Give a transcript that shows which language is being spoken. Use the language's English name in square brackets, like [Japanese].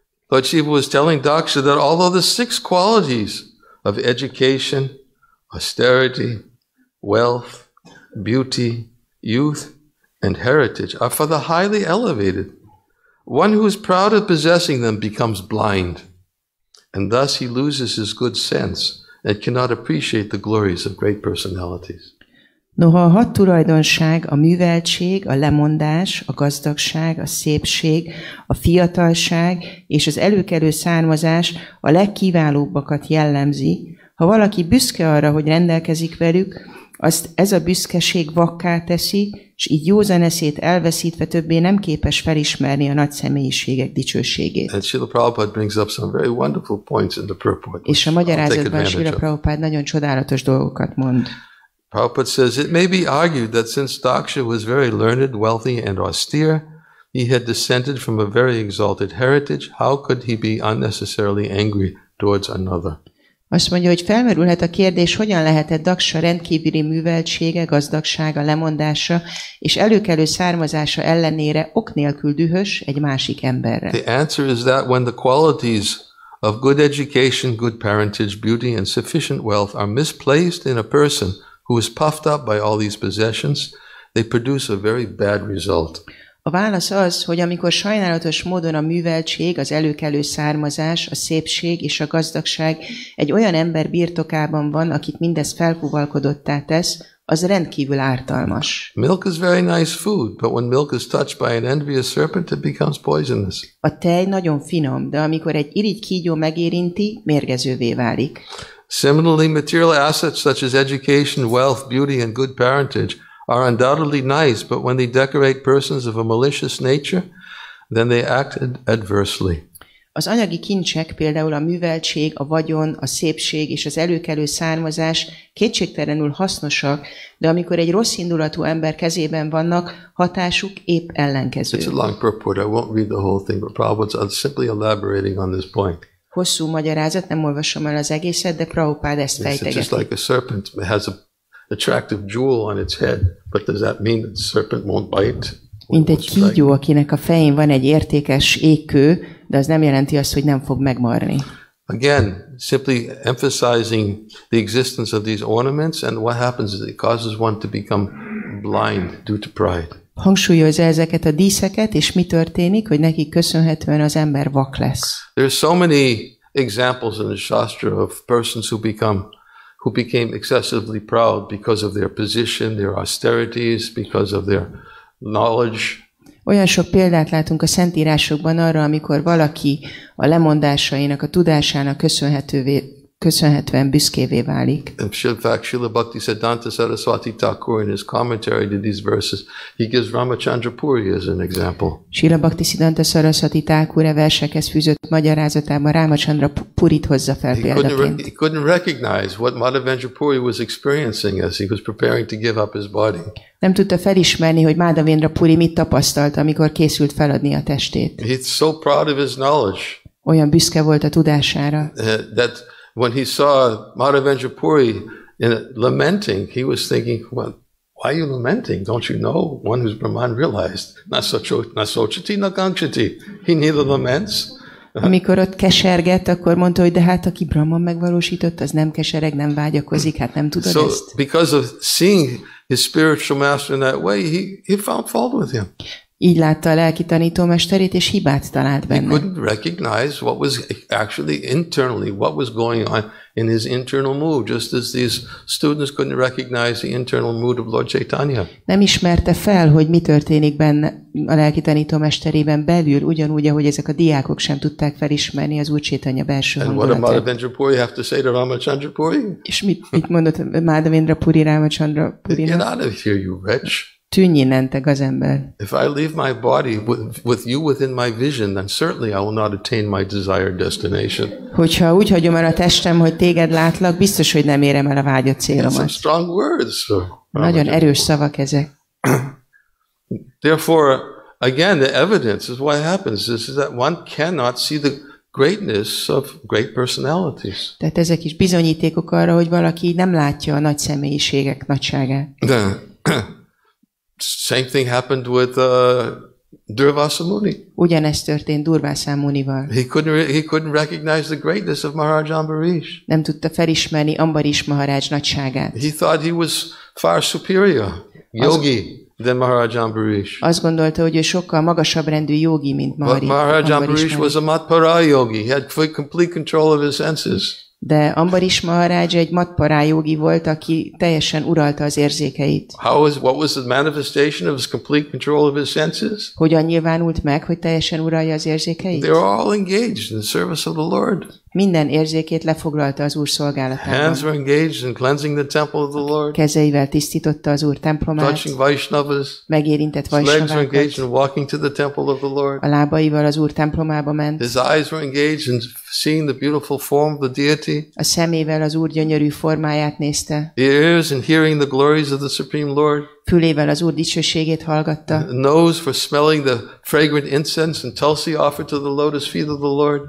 [English] Lord Shiva was telling Daksha that although the six qualities of education, austerity, wealth, beauty, youth, and heritage are for the highly elevated, one who is proud of possessing them becomes blind, and thus he loses his good sense and cannot appreciate the glories of great personalities. [Hungarian] Noha a hat tulajdonság, a műveltség, a lemondás, a gazdagság, a szépség, a fiatalság és az előkelő származás a legkiválóbbakat jellemzi, ha valaki büszke arra, hogy rendelkezik velük, azt ez a büszkeség vakká teszi, s így józan eszét elveszítve többé nem képes felismerni a nagy személyiségek dicsőségét. [English] And Srila Prabhupada brings up some very wonderful points in the purport. [Hungarian] És a magyarázatban Srila Prabhupada nagyon csodálatos dolgokat mond. [English] Prabhupada says, it may be argued that since Daksha was very learned, wealthy and austere, he had descended from a very exalted heritage, how could he be unnecessarily angry towards another? [Hungarian] Azt mondja, hogy felmerülhet a kérdés, hogyan lehetett Daksha rendkívüli műveltsége, gazdagsága, lemondása és előkelő származása ellenére ok nélkül dühös egy másik emberre. [English] The answer is that when the qualities of good education, good parentage, beauty and sufficient wealth are misplaced in a person who is puffed up by all these possessions, they produce a very bad result. [Hungarian] A válasz az, hogy amikor sajnálatos módon a műveltség, az előkelő származás, a szépség és a gazdagság egy olyan ember birtokában van, akit mindez felkuvalkodottá tesz, az rendkívül ártalmas. [English] Milk is very nice food, but when milk is touched by an envious serpent, it becomes poisonous. [Hungarian] A tej nagyon finom, de amikor egy irigy kígyó megérinti, mérgezővé válik. [English] Similarly, material assets such as education, wealth, beauty and good parentage are undoubtedly nice, but when they decorate persons of a malicious nature, then they act adversely. [Hungarian] Az anyagi kincsek, például a műveltség, a vagyon, a szépség és az előkelő származás kétségtelenül hasznosak, de amikor egy rossz indulatú ember kezében vannak, hatásuk épp ellenkező. [English] It's a long purport, I won't read the whole thing, but Prabhupada's simply elaborating on this point. [Hungarian] Hosszú magyarázat, nem olvasom el az egészet, de Prabhupada ezt fejtegeti. [English] It's just like a serpent has a attractive jewel on its head, but does that mean that the serpent won't bite? [Hungarian] Mint egy kígyó, akinek a fején van egy értékes ékkő, de az nem jelenti azt, hogy nem fog megmarni. [English] Again, simply emphasizing the existence of these ornaments, and what happens is it causes one to become blind due to pride. [Hungarian] Hangsúlyozza ezeket a díszeket, és mi történik, hogy neki köszönhetően az ember vak lesz. [English] There are so many examples in the Shastra of persons who become who became excessively proud because of their position, their austerities, because of their knowledge. [Hungarian] Olyan sok példát látunk a szentírásokban arra, amikor valaki a lemondásainak, a tudásának köszönhetően büszkévé válik. [English] In fact, Srila Bhakti Siddhanta Saraswati Thakur in his commentary to these verses, he gives Ramachandra Puri as an example. [Hungarian] Srila Bhakti Siddhanta Saraswati Thakur a versekhez fűzött magyarázatában Ramachandra Purit hozza fel példaként. [English] He couldn't recognize what Madhavendra Puri was experiencing as he was preparing to give up his body. [Hungarian] Nem tudta felismerni, hogy Madhavendra Puri mit tapasztalt, amikor készült feladni a testét. [English] He's so proud of his knowledge. [Hungarian] Olyan büszke volt a tudására. [English] That when he saw Madhavendra Puri lamenting, he was thinking, well, why are you lamenting? Don't you know? One who's Brahman realized, [Sanskrit] na sochati, na kangchati. [English] He neither laments. [Hungarian] Amikor ott kesergett, akkor mondta, hogy de hát aki Brahman megvalósított, az nem kesereg, nem vágyakozik, hát nem tudod [English] so, [Hungarian] ezt. [English] Because of seeing his spiritual master in that way, he found fault with him. [Hungarian] Így látta a lelki tanítómesterét, és hibát talált benne. [English] He couldn't recognize what was actually internally, what was going on in his internal mood, just as these students couldn't recognize the internal mood of Lord Caitanya. [Hungarian] Nem ismerte fel, hogy mi történik benne a lelki tanítómesterében belül, ugyanúgy, ahogy ezek a diákok sem tudták felismerni az Úr Caitanya belső hangulatát. [English] And what did Madhavendra Puri have to say to Ramachandra Puri? [Hungarian] És mit mondott Madhavendra Puri Ramachandra Purinak? [English] Get out of here, you wretch! [Hungarian] Tűnj innen, te gazember. [English] If I leave my body with you within my vision, then certainly I will not attain my desired destination. [Hungarian] Hogyha úgy hagyom el a testem, hogy téged látlak, biztos, hogy nem érem el a vágyott célomat. [English] Some strong words. [Hungarian] Nagyon erős szavak ezek. [English] Therefore, again, the evidence is what happens is that one cannot see the greatness of great personalities. [Hungarian] Tehát ezek is bizonyítékok arra, hogy valaki nem látja a nagy személyiségek nagyságát. [English] De same thing happened with Durvasamuni. [Hungarian] Ugyanezt történt Durvasamunival. [English] He couldn't recognize the greatness of Maharaj Ambarish. [Hungarian] Nem tudta felismerni Ambarish Maharaj nagyságát. [English] He thought he was far superior yogi than Maharaj Ambarish. [Hungarian] Azt gondolta, hogy ő sokkal magasabb rendű yogi, mint [English] Maharaj. Maharaj Ambarish was a matpara yogi. He had complete control of his senses. [Hungarian] De Ambarish Maharaj egy matpará jogi volt, aki teljesen uralta az érzékeit. [English] What was the manifestation of his complete control of his senses? [Hungarian] Hogyan nyilvánult meg, hogy teljesen uralja az érzékeit? [English] They were all engaged in the service of the Lord. [Hungarian] Minden érzékét lefoglalta az Úr szolgálatában. [English] Hands were engaged in cleansing the temple of the Lord. [Hungarian] Kezeivel tisztította az Úr templomát. [English] Touching Vaishnavas. [Hungarian] Megérintett Vaishnavákat. [English] Legs were engaged in walking to the temple of the Lord. [Hungarian] A lábaival az Úr templomába ment. [English] His eyes were engaged in seeing the beautiful form of the deity. [Hungarian] A szemével az Úr gyönyörű formáját nézte. [English] The ears in hearing the glories of the Supreme Lord. [Hungarian] Fülével az Úr dicsőségét hallgatta. [English] The nose for smelling the fragrant incense and tulsi offered to the lotus feet of the Lord.